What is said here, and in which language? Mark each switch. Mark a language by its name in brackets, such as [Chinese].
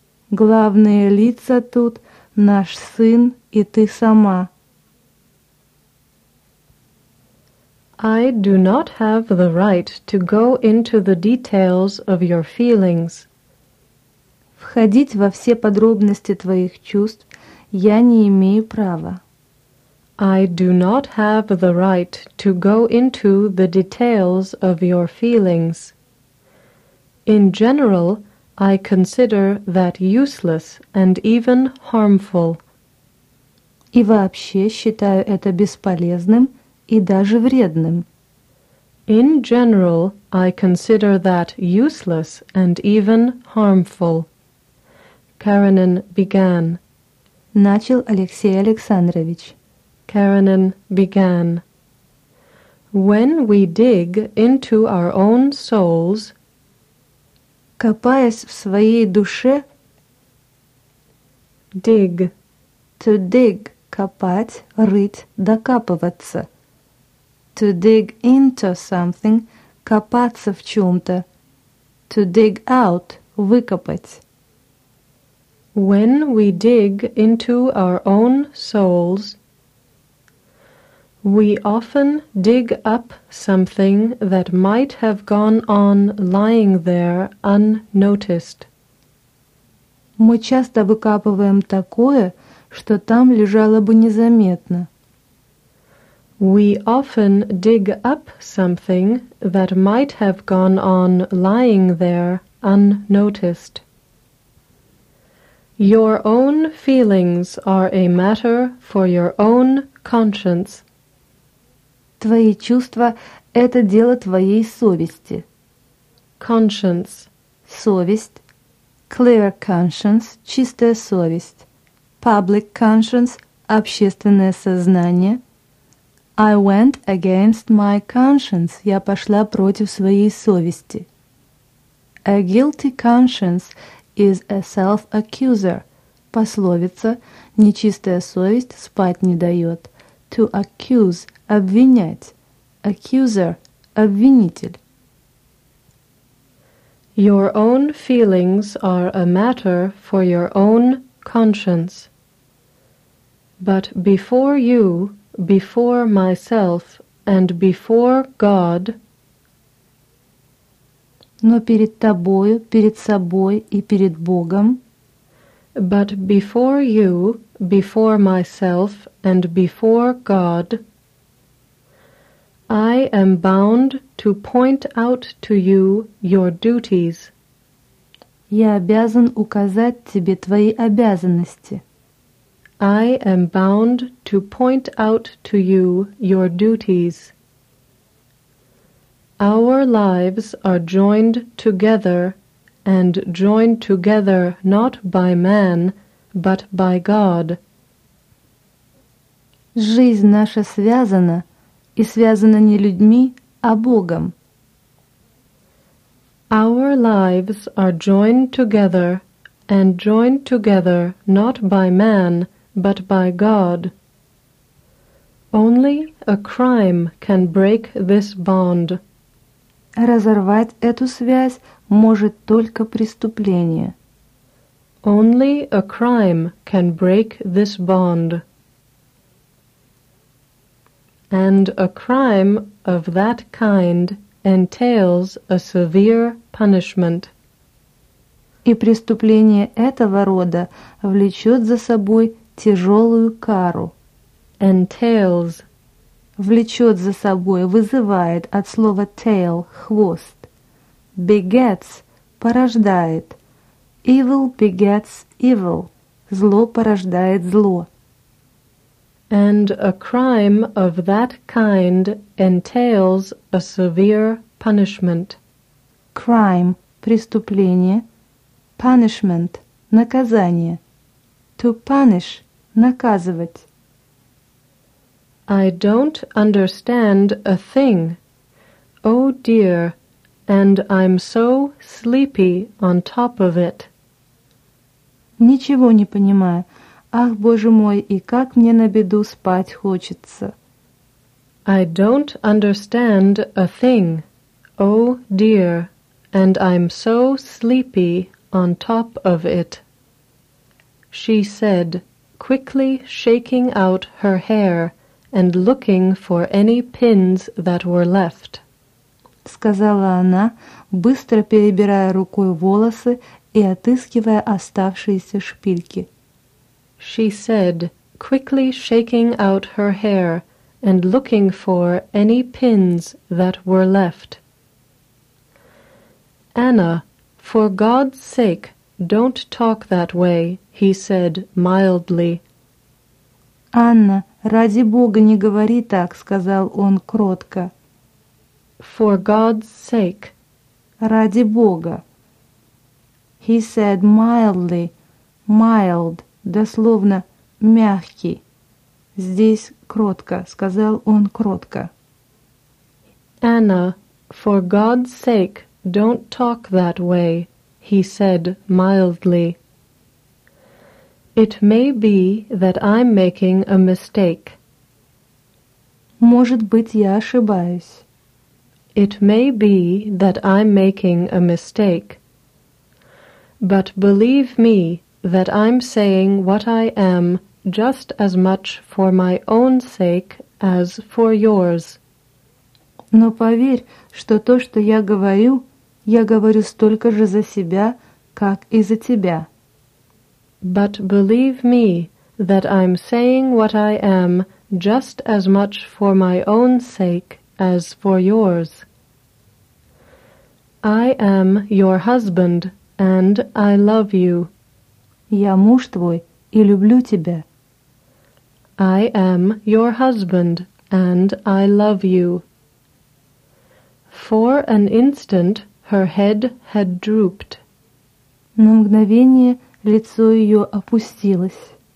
[Russian] Главные лица тут — наш сын и ты сама». [English] «I do not have the right to go into the details of your feelings». [Russian] «Входить во все подробности твоих чувств я не имею права». [English] I do not have the right to go into the details of your feelings. In general, I consider that useless and even harmful. [Russian] И вообще считаю это бесполезным и даже вредным. [English] In general, I consider that useless and even harmful. Каренин began. [Russian] Начал Алексей Александрович. [English] Каренин began. When we dig into our own souls, [Russian] копаясь в своей душе, [English] dig, to dig, [Russian] копать, рыть, докапываться, [English] to dig into something, [Russian] копаться в чем-то, [English] to dig out, [Russian] выкопать. [English] When we dig into our own souls, we often dig up something that might have gone on lying there unnoticed. [Russian] Мы часто выкапываем такое, что там лежало бы незаметно. [English] We often dig up something that might have gone on lying there unnoticed. Your own feelings are a matter for your own conscience. [Russian] Твои чувства — это дело твоей совести. [English] Conscience. [Russian] Совесть. [English] Clear conscience — [Russian] чистая совесть. [English] Public conscience — [Russian] общественное сознание. [English] I went against my conscience — [Russian] я пошла против своей совести. [English] A guilty conscience is a self-accuser. [Russian] Пословица «нечистая совесть спать не дает». [English] To accuse — [Russian] обвинять. [English] Accuser – [Russian] обвинитель. [English] Your own feelings are a matter for your own conscience. But before you, before myself, and before God... [Russian] Но перед тобою, перед собой и перед Богом... [English] But before you, before myself, and before God... I am bound to point out to you your duties. [Russian] Я обязан указать тебе твои обязанности. [English] I am bound to point out to you your duties. Our lives are joined together, and joined together not by man, but by God. [Russian] Жизнь наша связана, и связана не людьми, а Богом. [English] Our lives are joined together, and joined together not by man, but by God. Only a crime can break this bond. [Russian] Разорвать эту связь может только преступление. [English] Only a crime can break this bond. And a crime of that kind entails a severe punishment. [Russian] И преступление этого рода влечет за собой тяжелую кару. [English] Entails. [Russian] Влечет за собой, вызывает от слова tail – хвост. [English] Begets – [Russian] порождает. [English] Evil begets evil – [Russian] зло порождает зло. [English] And a crime of that kind entails a severe punishment. Crime – [Russian] преступление. [English] Punishment – [Russian] наказание. [English] To punish – [Russian] наказывать. [English] I don't understand a thing. Oh dear, and I'm so sleepy on top of it. [Russian] Ничего не понимаю. Ах, Боже мой, и как мне на беду спать хочется. [English] I don't understand a thing. Oh dear, and I'm so sleepy on top of it. She said, quickly shaking out her hair and looking for any pins that were left. [Russian] Сказала она, быстро перебирая рукой волосы и отыскивая оставшиеся шпильки. [English] She said, quickly shaking out her hair and looking for any pins that were left. Anna, for God's sake, don't talk that way, he said mildly. [Russian] Анна, ради Бога, не говори так, сказал он кротко. [English] For God's sake. [Russian] Ради Бога. [English] He said mildly, mild, [Russian] дословно мягкий. Здесь кротко, сказал он кротко. [English] Anna, for God's sake, don't talk that way, he said mildly. It may be that I'm making a mistake. [Russian] Может быть, я ошибаюсь. [English] It may be that I'm making a mistake. But believe me that I'm saying what I am just as much for my own sake as for yours. [Russian] Но поверь, что то, что я говорю столько же за себя, как и за тебя. [English] But believe me that I'm saying what I am just as much for my own sake as for yours. I am your husband and I love you. [Russian] Я муж твой и люблю тебя. [English] I am your husband and I love you. For an instant her head had drooped. [Russian] На мгновение лицо ее опустилось.